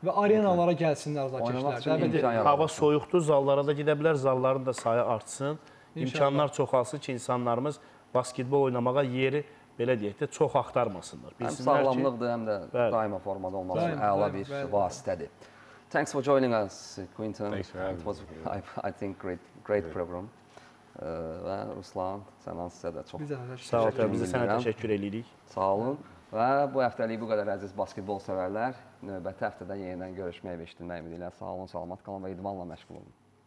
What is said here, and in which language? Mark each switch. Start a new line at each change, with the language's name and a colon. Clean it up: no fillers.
Azerbaijani: Və arenalara gəlsinlər azarkeşlər. Hava soyuqdur, zallara da gedə bilər, zalların da sayı artsın. İmkanlar çoxalsın ki, insanlarımız basketbol oynamağa yeri belə deyək de, çox axtarmasınlar. Bilsinlər həm sağlamlıqdır, həm də daima formada olmalı, əla bir vasitədir.
English: Thanks for joining us, Quinton. Thanks for having me. It was, I think, great program.
Azerbaijani: Və Ruslan, sənə sizə də çox sağ ol, biz sənə təşəkkür edirik. Sağ olun. Və bu həftəlik bu qədər əziz basketbol sevərlər. Növbəti həftədə yenidən görüşmək və eşitmək ümidi ilə sağ olun, salamat qalın və idmanla məşğul olun.